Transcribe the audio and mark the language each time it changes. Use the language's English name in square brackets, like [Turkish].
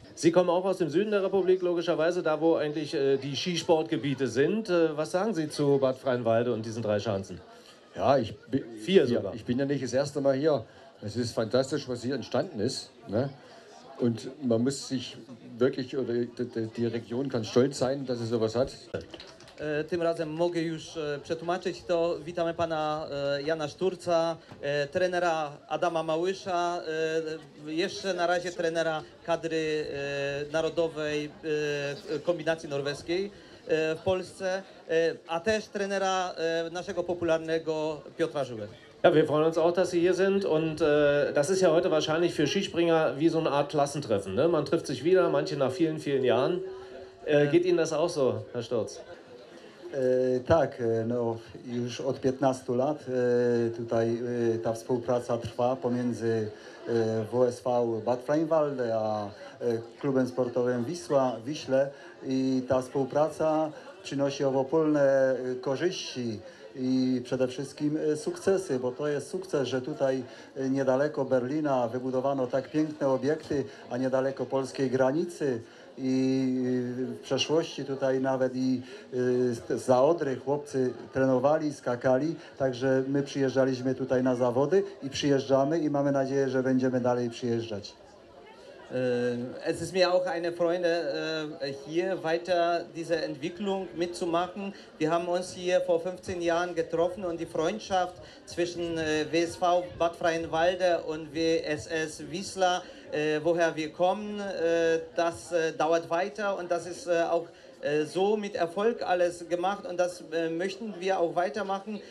[German] Sie kommen auch aus dem Süden der Republik, logischerweise, da wo eigentlich die Skisportgebiete sind. Was sagen Sie zu Bad Freienwalde und diesen drei Schanzen? Ja, ich bin, vier sogar. Ja, ich bin ja nicht das erste Mal hier. Es ist fantastisch, was hier entstanden ist. Ne? Und man muss sich wirklich, oder die Region kann stolz sein, dass sie sowas hat. [Polish] Tym razem mogę już przetłumaczyć to. Witamy pana Jana Szturca, trenera Adama Małysza, jeszcze na razie trenera kadry narodowej kombinacji norweskiej w Polsce, a też trenera naszego popularnego Piotra Żyły. [German] Ja, wir freuen uns auch, dass Sie hier sind und das ist ja heute wahrscheinlich für Skispringer wie so eine Art Klassentreffen. Ne? Man trifft sich wieder, manche nach vielen, vielen Jahren. Geht Ihnen das auch so, Herr Sturz? [Polish] Tak, no, już od 15 lat tutaj ta współpraca trwa pomiędzy WSV Bad Freienwalde a klubem sportowym Wiśle i ta współpraca przynosi obopólne korzyści i przede wszystkim sukcesy, bo to jest sukces, że tutaj niedaleko Berlina wybudowano tak piękne obiekty, a niedaleko polskiej granicy. I w przeszłości tutaj nawet i za Odry chłopcy trenowali, skakali, także my przyjeżdżaliśmy tutaj na zawody i przyjeżdżamy i mamy nadzieję, że będziemy dalej przyjeżdżać. [German] Es ist mir auch eine Freude, hier weiter diese Entwicklung mitzumachen. Wir haben uns hier vor 15 Jahren getroffen und die Freundschaft zwischen WSV Bad Freienwalde und WSS Wiesla, woher wir kommen, das dauert weiter und das ist auch so mit Erfolg alles gemacht und das möchten wir auch weitermachen.